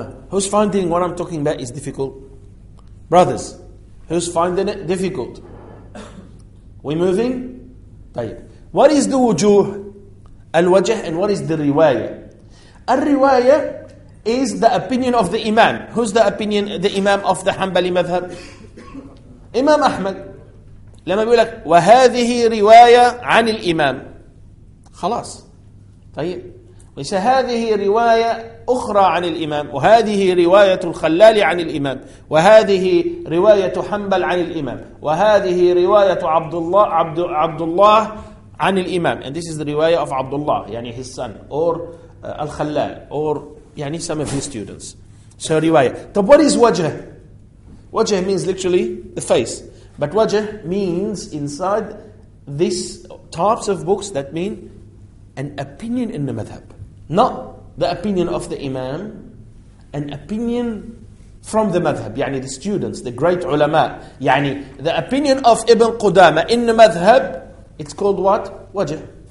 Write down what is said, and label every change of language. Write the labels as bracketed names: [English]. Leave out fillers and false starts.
[English] Who's finding what I'm talking about is difficult? Brothers, who's finding it difficult? We moving? What is the wujuh? Al-wajah, and what is the riwayah? Al-riwayah is the opinion of the imam. Who's the opinion, the imam of the Hanbali madhab? Imam Ahmad. [Arabic] لما بيقول لك وهذه رواية عن الإمام خلاص طيب ويش هذه رواية أخرى عن الإمام وهذه رواية الخلال عن الإمام وهذه رواية حنبل عن الإمام وهذه رواية عبد الله عن الإمام [English] and this is the [Arabic] رواية of عبد الله يعني [English] his son or [Arabic] الخلال or يعني [English] some of his students so [Arabic] رواية طب [English] what is [Arabic] وجه وجه means [English] literally the face. But wajah means inside these types of books that mean an opinion in the madhab. Not the opinion of the imam, an opinion from the madhab. Yani the students, the great ulama. Yani the opinion of Ibn Qudama in the madhab, it's called what? Wajah.